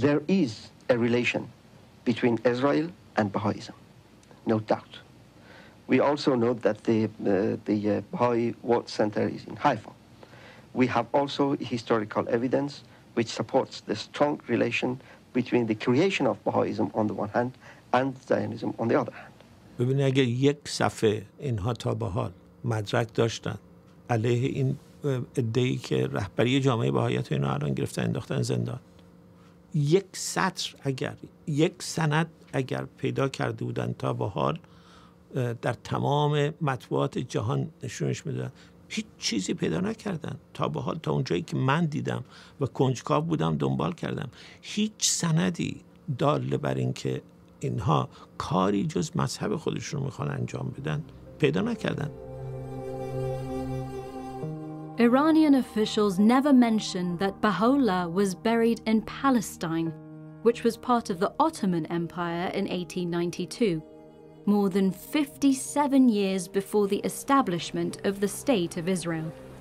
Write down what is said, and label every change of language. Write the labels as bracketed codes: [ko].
[en] There is a relation between Israel and Baha'ism, no doubt. We also know that the Baha'i World Center is in Haifa. We have also historical evidence which supports the strong relation between the creation of Baha'ism on the one hand and Zionism on the other hand. [fa] ببینید اگه یک صفحه اینها تا به حال مدرک داشتن علیه این ادعی که رهبری جامعه بهائیت اینو الان گرفتن انداختن زندان، یک سطر اگر، یک سند اگر پیدا کرده بودن تا به حال در تمام مطبوعات جهان نشونش میدادن، هیچ چیزی پیدا نکردن تا به حال. تا اونجایی که من دیدم و کنجکاو بودم دنبال کردم، هیچ سندی دال بر این که اینها کاری جز مذهب خودشون رو میخوان انجام بدن پیدا نکردن. [en] Iranian officials never mentioned that Baha'u'llah was buried in Palestine, which was part of the Ottoman Empire in 1892, more than 57 years before the establishment of the State of Israel.